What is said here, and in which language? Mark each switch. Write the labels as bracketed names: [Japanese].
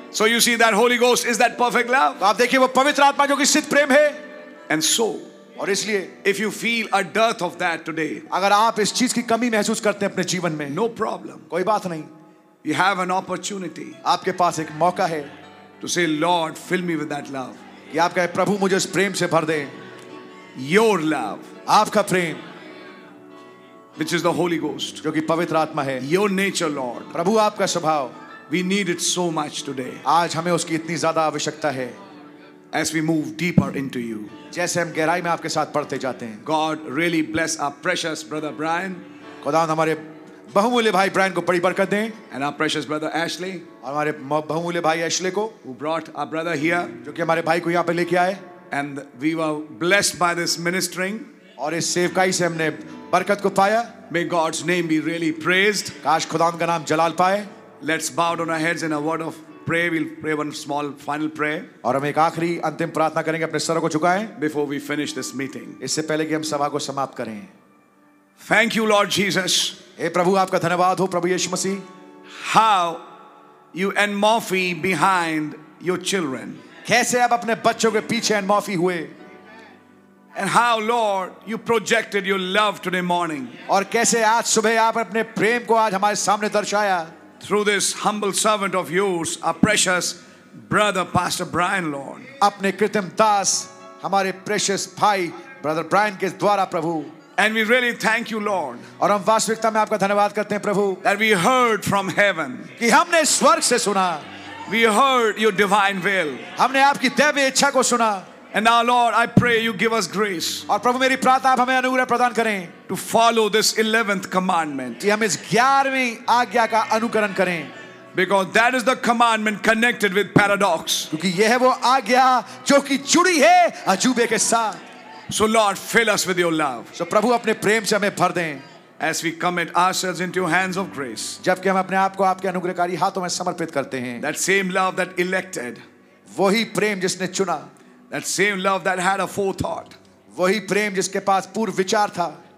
[English] So you see that Holy Ghost is that perfect love. [Hindi] तो आप देखिए वो पवित्र आत्मा जो कि सिद्ध प्रेम है. [English] And so, [Hindi] और इसलिए, [English] if you feel a dearth of that today, [Hindi] अगर आप इस चीज की कमी महसूस करते हैं अपने जीवन में, [English] no problem, [Hindi] कोई बात नहीं. [English] You have an opportunity, [Hindi] आपके पास एक मौका है, [English] to say, Lord, fill me with that love. [Hindi] कि आप कहें प्रभु मुझे इस प्रेम से भर दे. [English] Your love, [Hindi] आपका प्रेम. [English] Which is the Holy Ghost, [Hindi] जो कि पवित्र आत्मा है. [English] Your nature, Lord, [Hindi] प्रभु आपका स्वभाव. [English] We need it so much today. [Hindi] आज हमें उसकी इतनी ज़्यादा आवश्यकता है. [English] As we move deeper into you, [Hindi] जैसे हम गहराई में आपके साथ पढ़ते जाते हैं. [English] God really bless our precious brother Brian. [Hindi] खुदावंद हमारे बहुमूल्य भाई ब्रायन को बड़ी बरकत दें. [English] And our precious brother Ashley, [Hindi] और हमारे बहुमूल्य भाई एशले को, [English] who brought our brother here, [Hindi] जो कि हमारे भाई को यहाँ पे लेके आए. [English] And we were blessed by this ministering. [Hindi] और इस सेवकाई से हमने बरकत को पाया. [English] May God's name be really praised. [Hindi] काश खुदावंद का नाम जलाल पाए. [English] Let's bow down our heads in a word of prayer. We'll pray one small final prayer. [Hindi] और हम एक आखिरी अंतिम प्रार्थना करेंगे अपने सरों को झुकाएं. [English] Before we finish this meeting. [Hindi] इससे पहले कि हम सभा को समाप्त करें. [English] Thank you, Lord Jesus. [Hindi] हे प्रभु आपका धन्यवाद हो प्रभु यीशु मसीह. [English] How you and Morphy behind your children. [Hindi] कैसे आप अपने बच्चों के पीछे एंड माफी हुए. [English] And how, Lord, you projected your love today morning. [Hindi] और कैसे आज सुबह आप अपने प्रेम को आज हमारे सामने दर्शाया. [English] Through this humble servant of yours, our precious brother, Pastor Brian, Lord. [Hindi] अपने कृतम दास हमारे precious भाई brother Brian के द्वारा प्रभु. [English] And we really thank you, Lord. [Hindi] और हम वास्तविकता में आपका धन्यवाद करते हैं प्रभु. [English] That we heard from heaven. [Hindi] कि हमने स्वर्ग से सुना. [English] We heard your divine will. [Hindi] हमने आपकी दैवीय इच्छा को सुना. [English] And now, Lord, I pray you give us grace. [Hindi] और प्रभु मेरी प्रार्थना आप हमें अनुग्रह प्रदान करें. [English] To follow this 11th commandment. [Hindi] कि हम इस 11वीं आज्ञा का अनुकरण करें. [English] Because that is the commandment connected with paradox. [Hindi] क्योंकि यह है वो आज्ञा जो कि जुड़ी है अजूबे के साथ. [English] So, Lord, fill us with your love. [Hindi] So, प्रभु अपने प्रेम से हमें भर दें. [English] As we commit ourselves into your hands of grace. [Hindi] जबकि हम अपने आप को आपके अनुग्रहकारी हाथों में समर्पित करते हैं. [English] That same love that elected. [Hindi] वही प्रेम जिसने चुना. [English] That same love that had a forethought. [Hindi] वही प्रेम जिसके पास पूर्व विचार था.